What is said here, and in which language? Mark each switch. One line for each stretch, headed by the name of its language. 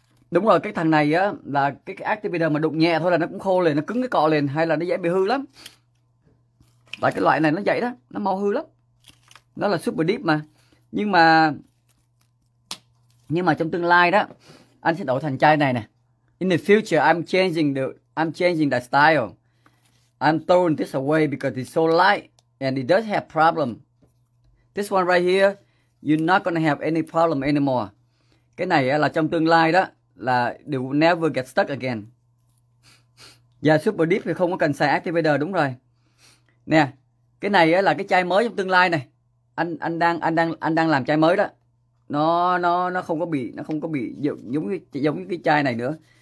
Vietnamese: Đúng rồi, cái thằng này á là cái activator mà đụng nhẹ thôi là nó cũng khô liền, nó cứng cái cọ liền, hay là nó dễ bị hư lắm. Tại cái loại này nó vậy đó, nó mau hư lắm. Nó là super deep mà. Nhưng mà trong tương lai đó, anh sẽ đổi thành chai này nè.
English: In the future I'm changing the style. I'm throwing this away because it's so light and it does have problem. This one right here, you're not gonna have any problem anymore.
Vietnamese: Cái này là trong tương lai đó là
English: you will never get stuck again.
Vietnamese: Và super deep thì không có cần xài activator, đúng rồi. Nè, cái này là cái chai mới trong tương lai này. Anh đang làm chai mới đó. Nó không có bị giống như cái chai này nữa.